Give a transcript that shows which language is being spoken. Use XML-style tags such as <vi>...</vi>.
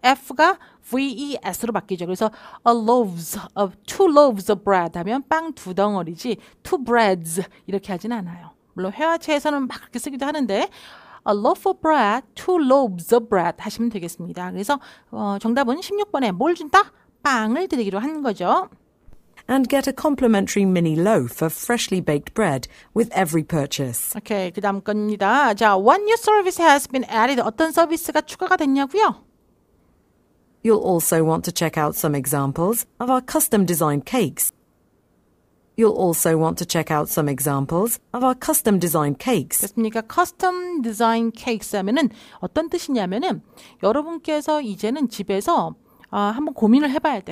<ko>F가 V-E-S로 바뀌죠. 그래서</ko> <en>a loaves of, two loaves of bread</en> <ko>하면 빵 두 덩어리지</ko> <en>two breads</en> <ko>이렇게 하진 않아요. 물론 회화체에서는 막 그렇게 쓰기도 하는데</ko> <en>A loaf of bread,</en> <ko>two loaves of bread 하시면 되겠습니다. 그래서 정답은 16번에 뭘 준다? 빵을 드리기로 한 거죠.</ko> <en>And get a complimentary mini loaf of freshly baked bread with every purchase. Okay,</en> <ko>그 다음 겁니다. 자,</ko> <en>one new service has been added.</en> <ko>어떤 서비스가 추가가 됐냐고요?</ko> <en>You'll also want to check out some examples of our custom designed cakes. You'll also want to check out some examples of our custom designed cakes.</en> <ko>그렇습니까?</ko> <en>Custom designed cakes</en> <ko>하면은 어떤 뜻이냐면은 여러분께서 이제는 집에서 한번 고민을 해봐야 돼.</ko>